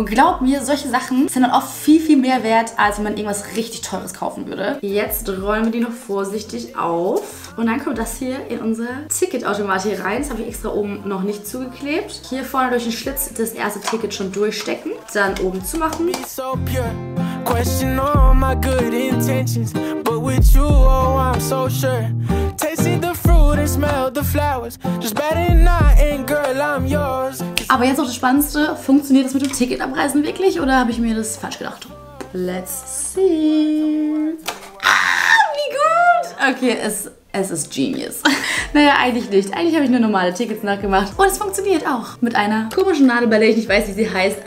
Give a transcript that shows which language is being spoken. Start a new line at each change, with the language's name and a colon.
German: Und glaubt mir, solche Sachen sind dann oft viel, viel mehr wert, als wenn man irgendwas richtig Teures kaufen würde. Jetzt rollen wir die noch vorsichtig auf und dann kommt das hier in unser Ticketautomat hier rein. Das habe ich extra oben noch nicht zugeklebt. Hier vorne durch den Schlitz das erste Ticket schon durchstecken, dann oben zumachen.
English: Question all my good intentions, but with you, oh, I'm so sure. Tasting the fruit and smell the flowers, just better not, and girl, I'm yours.
German: Aber jetzt noch das Spannendste: Funktioniert das mit dem Ticket abreißen wirklich oder habe ich mir das falsch gedacht?
English: Let's see.
German: Ah, wie gut! Okay, es ist genius. Naja, eigentlich nicht. Eigentlich habe ich nur normale Tickets nachgemacht. Und es funktioniert auch. Mit einer komischen Nadel, bei der ich nicht weiß, wie sie heißt.